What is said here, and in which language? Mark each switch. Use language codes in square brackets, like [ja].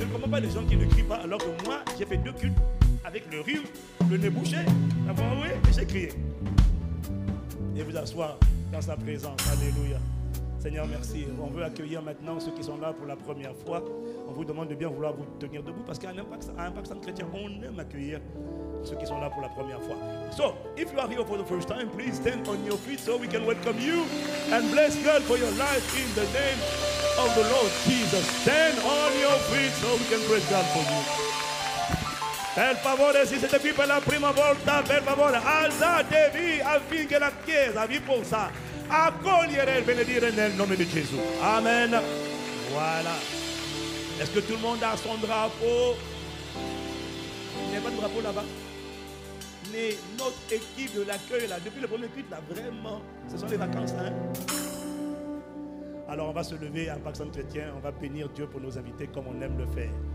[fr] Pas les gens qui ne crient pas, alors que moi j'ai fait 2 cultes avec le rire, le nez bouché, enfin oui, et j'ai crié. Et vous asseoir dans sa présence, alléluia. Seigneur, merci. On veut accueillir maintenant ceux qui sont là pour la première fois. On vous demande de bien vouloir vous tenir debout parce qu'à un impact, sans chrétien, on aime accueillir ceux qui sont là pour la première fois. [en] So, if you are here for the first time, please stand on your feet so we can welcome you and bless God for your life in the name of the Lord Jesus. Stand on your feet so we can praise God for you. [it] Per favore, si siete qui per la prima volta, per favore, alzatevi affinché la Chiesa vi possa accogliere e benedire nel nome di Gesù. [fr] Amen. Voilà. Est-ce que tout le monde a son drapeau? Il n'y a pas de drapeau là-bas. Mais notre équipe de l'accueil, là, depuis le premier culte, là, vraiment, ce sont les vacances, hein? Alors, on va se lever en Pax Chrétien, on va bénir Dieu pour nos invités comme on aime le faire.